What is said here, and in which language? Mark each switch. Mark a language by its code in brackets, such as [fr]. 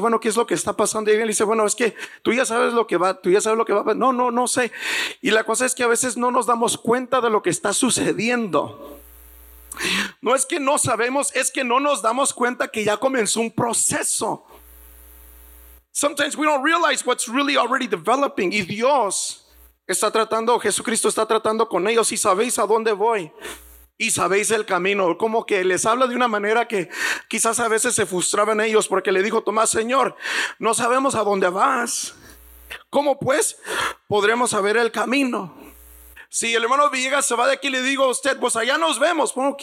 [es] Bueno, ¿qué es lo que está pasando? Y alguien le dice, bueno, es que tú ya sabes lo que va, tú ya sabes lo que va. No sé. Y la cosa es que a veces no nos damos cuenta de lo que está sucediendo. No es que no sabemos, es que no nos damos cuenta que ya comenzó un proceso. [en] Sometimes we don't realize what's really already developing. [es] Y Dios está tratando, Jesucristo está tratando con ellos, y sabéis a dónde voy, y sabéis el camino. Como que les habla de una manera que quizás a veces se frustraban ellos, porque le dijo Tomás, Señor, no sabemos a dónde vas. ¿Cómo pues podremos saber el camino? Si el hermano Villegas se va de aquí, le digo a usted, pues allá nos vemos.